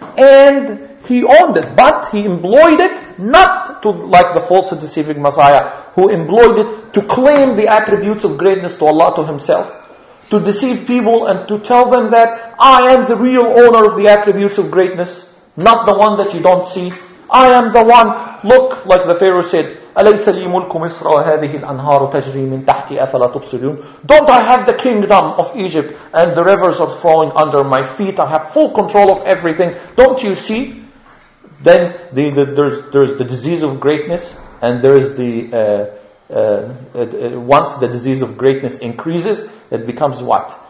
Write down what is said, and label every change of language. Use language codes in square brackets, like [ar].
[en] And he owned it. But he employed it not to like the false and deceiving Messiah, who employed it to claim the attributes of greatness to Allah to himself, to deceive people and to tell them that I am the real owner of the attributes of greatness, not the one that you don't see. I am the one. Look, like the Pharaoh said, [ar] أَلَيْسَ لِي مُلْكُ مِصْرَ وَهَذِهِ الْأَنْهَارُ تَجْرِي مِنْ تَحْتِي أَفَلَا تُبْصِرُونَ. [en] Don't I have the kingdom of Egypt and the rivers are flowing under my feet? I have full control of everything. Don't you see? Then there's the disease of greatness, and there is the once the disease of greatness increases, it becomes what?